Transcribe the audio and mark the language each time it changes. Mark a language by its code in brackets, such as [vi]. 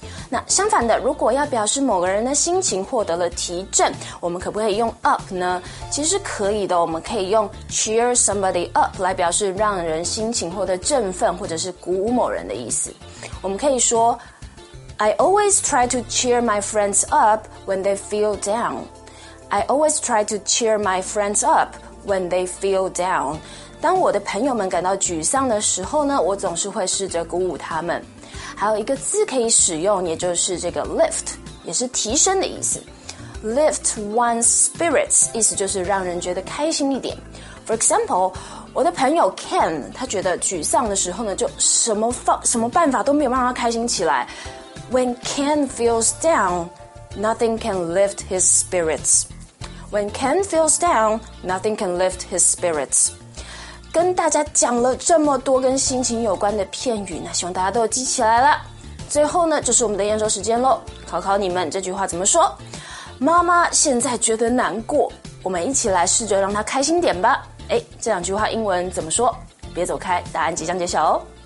[zh] 那相反的如果要表示某个人的心情获得了提振我们可不可以用 up 呢其实可以的我们可以用 [en] cheer somebody up [zh] 来表示让人心情获得振奋或者是鼓舞某人的意思。我们可以说 [en] I always try to cheer my friends up when they feel down. I always try to cheer my friends up when they feel down. [zh] 当我的朋友们感到沮丧的时候呢，我总是会试着鼓舞他们。还有一个字可以使用，也就是这个 lift， 也是提升的意思。 [en] Lift one's spirits， [zh] 意思就是让人觉得开心一点。 [en] For example， [zh] 我的朋友 Ken， 他觉得沮丧的时候呢，就什么办法都没有让他开心起来。 [en] When Ken feels down, nothing can lift his spirits. When Ken feels down, nothing can lift his spirits. [zh] 跟大家讲了这么多跟心情有关的片语，那希望大家都记起来了。最后呢，就是我们的验收时间咯，考考你们这句话怎么说？妈妈现在觉得难过，我们一起来试着让她开心点吧。诶，这两句话英文怎么说？别走开，答案即将揭晓哦。